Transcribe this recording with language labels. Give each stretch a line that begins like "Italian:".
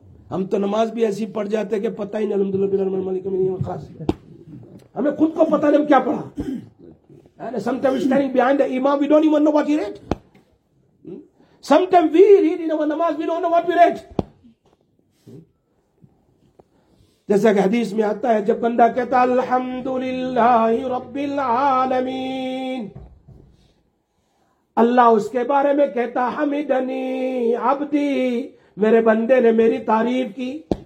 Urdu: ہم تو نماز بھی ایسی پڑھ جاتے ہیں کہ پتہ ہی نہیں
Arabic: الحمدللہ بن الرحمن مالک یوم الدین
Urdu: خاص, ہمیں خود کو پتہ نہیں ہم کیا پڑھا.
English: And sometimes standing behind the imam we don't even know what he read. Sometimes we read in our namaz we don't know what we read.
Urdu: جیسے کہ حدیث میں آتا ہے جب بندہ کہتا
Arabic: الحمدللہ رب العالمین,
Urdu: اللہ اس کے بارے میں کہتا
Arabic: حمیدنی عبدی,
Urdu: میرے بندے نے میری تعریف کی.